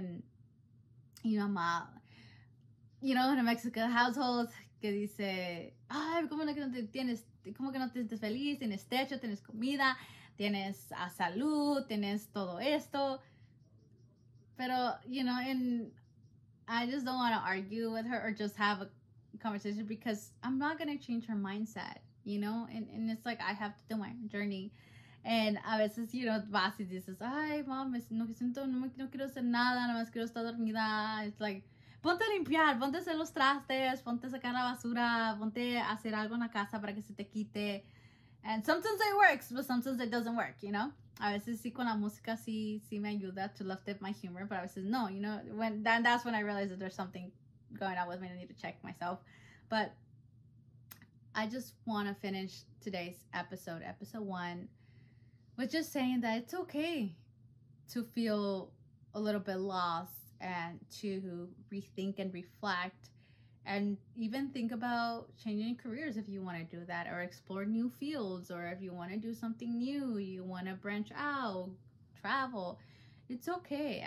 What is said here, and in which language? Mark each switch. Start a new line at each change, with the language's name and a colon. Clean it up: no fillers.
English: And, you know, in a Mexican household,
Spanish: que dice, ay, como que no te sientes feliz, tienes techo, tienes comida, tienes salud, tienes todo esto.
English: Pero, you know, and I just don't want to argue with her or just have a conversation because I'm not going to change her mindset, you know? And it's like, I have to do my journey.
Spanish: And a veces,
English: you know,
Spanish: vas y dices, ay, mom, no quiero hacer nada, nada más quiero estar dormida.
English: It's like,
Spanish: ponte a limpiar, ponte a hacer los trastes, ponte a sacar la basura, ponte a hacer algo en la casa para que se te quite.
English: And sometimes it works, but sometimes it doesn't work, you know?
Spanish: A veces sí con la música sí, sí me ayuda
English: to lift up my humor, but
Spanish: a veces no,
English: you know? That's when I realized that there's something going on with me and I need to check myself. But I just want to finish today's episode, episode one, with just saying that it's okay to feel a little bit lost and to rethink and reflect and even think about changing careers if you want to do that, or explore new fields, or if you want to do something new, you want to branch out, travel. It's okay.